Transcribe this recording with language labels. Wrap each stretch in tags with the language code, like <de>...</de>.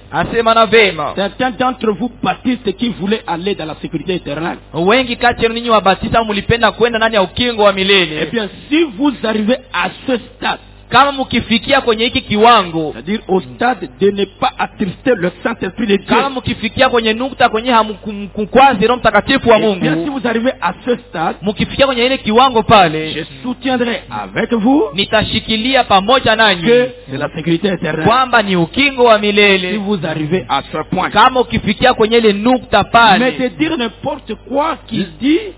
<sw>asema na vema.</sw> <fr>Certains d'entre vous baptistes qui voulaient aller dans la sécurité éternelle.</fr> <sw>Wengi kati yenu ninyi wa baptista mulipenda kwenda ndani ya ukingo wa milele.</sw> <fr>Eh bien, si vous arrivez à ce stade.</fr> <sw>Kama mukifikia kwenye hiki kiwango,</sw> <fr>c'est-à-dire au stade de ne pas attrister le Saint-Esprit de Dieu.</fr> <sw>Kama mukifikia kwenye nukta kwenye hamkukwazi Roho Mtakatifu wa Mungu.</sw> <fr>Si vous arrivez à ce stade,</fr> <sw>mukifikia kwenye ile kiwango pale,</sw> <fr>je soutiendrai avec vous,</fr> <sw>nitashikilia pamoja nanyi,</sw> <fr>que c'est la sécurité éternelle.</fr> <sw>Kwamba ni ukingo wa milele.</sw> <fr>Si vous arrivez à ce point,</fr> <sw>kama ukifikia kwenye ile nukta pale,</sw> <fr>mais c'est dire n'importe quoi qui dit.</fr>